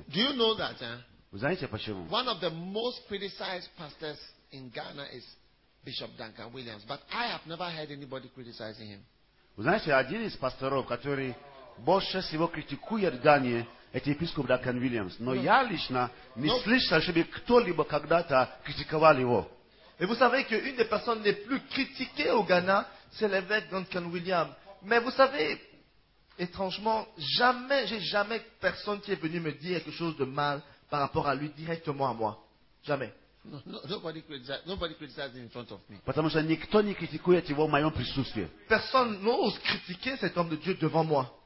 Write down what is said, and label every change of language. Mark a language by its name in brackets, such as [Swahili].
[English] Do you know that? [Russian] Вы знаете почему? [English] One of the most criticized pastors in Ghana is Bishop Duncan Williams, but I have never heard anybody criticizing him. [Russian] Вы знаете, один из пасторов, который больше всего критикует в Гане, это епископ Дакан Уильямс. Но я лично не слышал, чтобы кто-либо когда-то критиковал его. [French] Et vous savez qu'une des personnes les plus critiquées au Ghana, c'est l'évêque Duncan Williams. Mais vous savez, étrangement, jamais, j'ai jamais personne qui est venu me dire quelque chose de mal par rapport à lui directement à moi. Jamais. [English] Nobody criticizes in front of me. [French] Personne n'ose critiquer cet homme de Dieu devant moi.